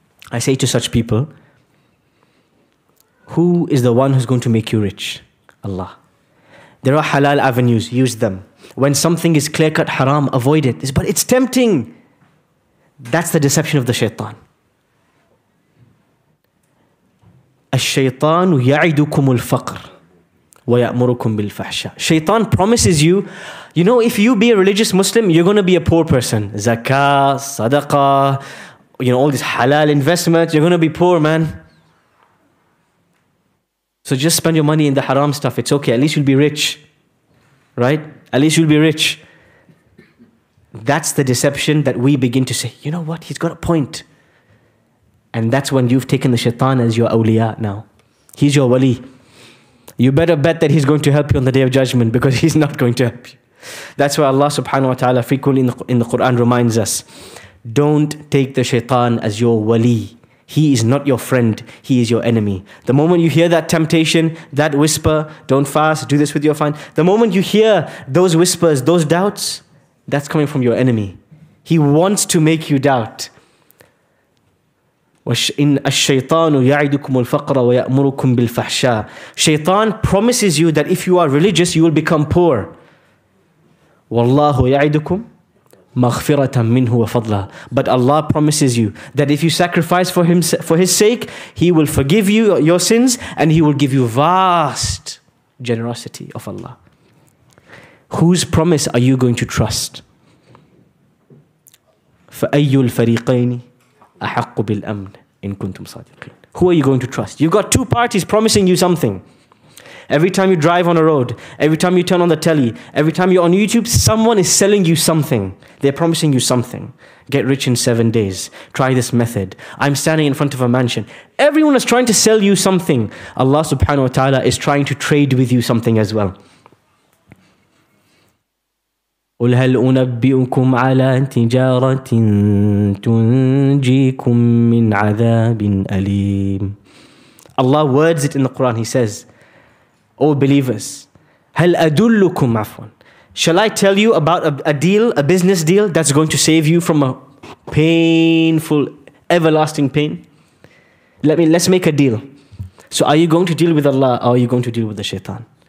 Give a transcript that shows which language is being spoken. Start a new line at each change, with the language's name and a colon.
English: I say to such people, who is the one who's going to make you rich? Allah. There are halal avenues, use them. When something is clear-cut haram, avoid it. But it's tempting. That's the deception of the shaitan.
Arabic: الشيطان يعدكم الفقر ويأمركم بالفحشاء.
English: Shaitan promises you, you know, if you be a religious Muslim, you're going to be a poor person. Zakah, sadaqah, you know, all these halal investments, you're going to be poor, man. So just spend your money in the haram stuff. It's okay. At least you'll be rich. Right? At least you'll be rich. That's the deception that we begin to say, you know what? He's got a point. And that's when you've taken the shaitan as your awliya now. He's your wali. You better bet that he's going to help you on the day of judgment, because he's not going to help you. That's why Allah subhanahu wa ta'ala frequently in the Quran reminds us, don't take the shaitan as your wali. He is not your friend, he is your enemy. The moment you hear that temptation, that whisper, don't fast, do this with your friend. The moment you hear those whispers, those doubts, that's coming from your enemy. He wants to make you doubt.
Arabic: إن الشيطان يعدكم الفقر ويأمركم بالفحشاء.
English: Shaitan promises you that if you are religious, you will become poor.
Arabic: والله يعدكم مغفرة منه وفضلا.
English: But Allah promises you that if you sacrifice for Him, for His sake, He will forgive you your sins and He will give you vast generosity of Allah. Whose promise are you going to trust?
Arabic: فأي الفريقين أحق بالأمن. In kuntum sadiqin.
English: Who are you going to trust? You've got two parties promising you something. Every time you drive on a road, every time you turn on the telly, every time you're on YouTube, someone is selling you something. They're promising you something. Get rich in 7 days. Try this method. I'm standing in front of a mansion. Everyone is trying to sell you something. Allah subhanahu wa ta'ala is trying to trade with you something as well.
Arabic: قل هل أنبئكم على تجارة تنجيكم من عذاب أليم.
English: Allah words it in the Quran. He says, O believers,
Arabic: هل أدلكم عفوا.
English: Shall I tell you about a deal, a business deal that's going to save you from a painful, everlasting pain? Let's make a deal. So are you going to deal with Allah or are you going to deal with the shaitan?